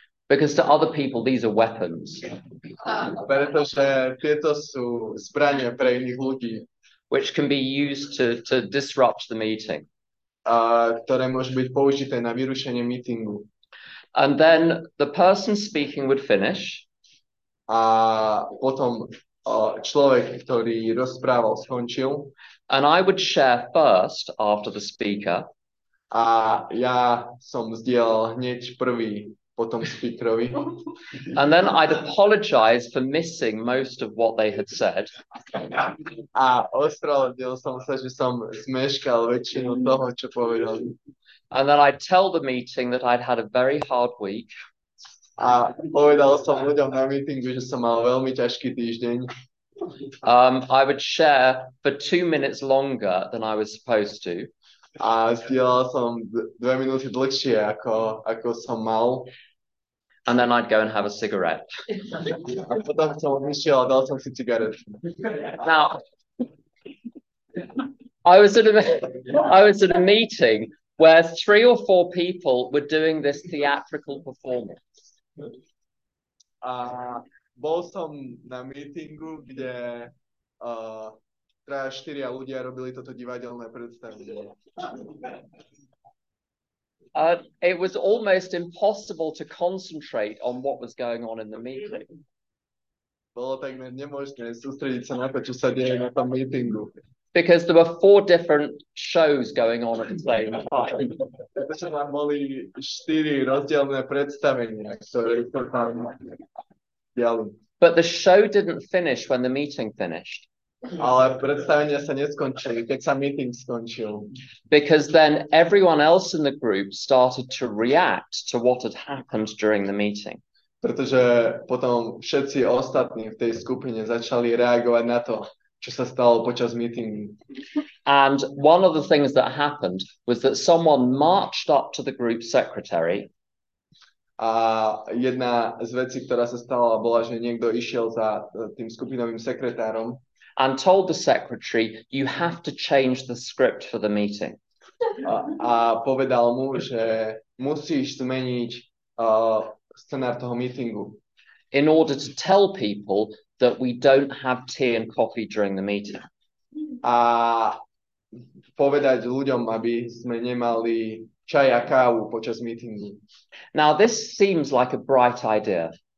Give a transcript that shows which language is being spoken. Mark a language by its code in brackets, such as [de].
[en] Because to other people, these are weapons. [sk] Pretože tieto sú zbrane pre iných ľudí. [en] Which can be used to disrupt the meeting. [sk] Ktoré môžu byť použité na vyrušenie meetingu. [en] And then the person speaking would finish. [sk] A potom človek, ktorý rozprával, skončil. [en] And I would share first after the speaker. [sk] A ja som zdieľal hneď prvý po tom speakerovi. [en] And then I'd apologize for missing most of what they had said. [sk] A ospravedlnil som sa, že som zmeškal väčšinu toho, čo povedal. [en] And then I'd tell the meeting that I'd had a very hard week. [sk] A povedal som ľuďom na meetingu, že som mal veľmi ťažký týždeň. [en] I would share for 2 minutes longer than I was supposed to. [sk] A zdieľal som 2 minúty dlhšie, ako som mal. [en] And then I'd go and have a cigarette. [sk] A potom som odmyšiel a dal som si cigaret. [en] Now, I was at a meeting where 3 or 4 people were doing this theatrical performance. [sk] Bol som na meetingu, kde traja štyria ľudia robili toto divadelné predstavenie. [en] It was almost impossible to concentrate on what was going on in the meeting. [sk] Bolo takmer nemožné sústrediť sa na to, čo sa deje na tom meetingu. [en] Because there were 4 different shows going on at the same time. [sk] Pretože tam boli 4 rozdielne predstavenia, ktoré sa tam diali. [en] But the show didn't finish when the meeting finished. [sk] Ale predstavenia sa neskončili, keď sa meeting skončil. [en] Because then everyone else in the group started to react to what had happened during the meeting. [sk] Pretože potom všetci ostatní v tej skupine začali reagovať na to, čo sa stalo počas meetingu. [en] And one of the things that happened was that someone marched up to the group secretary. [sk] A jedna z vecí, ktorá sa stala, bola, že niekto išiel za tým skupinovým sekretárom. [en] And told the secretary, you have to change the script for the meeting. [sk] A povedal mu, že musíš zmeniť scenár toho meetingu. [en] In order to tell people that we don't have tea and coffee during the meeting. [sk] A povedať ľuďom, aby sme nemali čaj a kávu počas meetingu. [en] Now this seems like a bright idea.